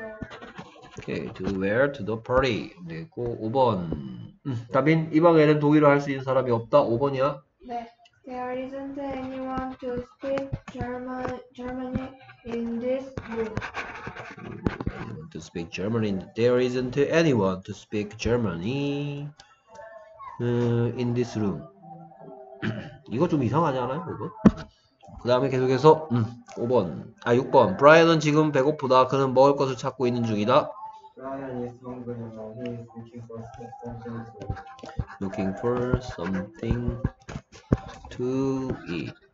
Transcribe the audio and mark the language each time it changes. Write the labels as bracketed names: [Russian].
[Korean] KT는 방에 와서 드레스를 입고 갈 것이다. [English] Okay, to wear to the party. [Korean] 그리고 5번. 다빈, 이 방에는 독일어 할 수 있는 사람이 없다. 5번이야. 네. [English] There isn't anyone to speak German in this room. To speak German in there isn't anyone to speak German in this room. [Korean] 이거 좀 이상하지 않아요, 5번? 그 다음에 계속해서 5번. 아, 6번. 브라이언은 지금 배고프다. 그는 먹을 것을 찾고 있는 중이다. [English] Looking for something to eat.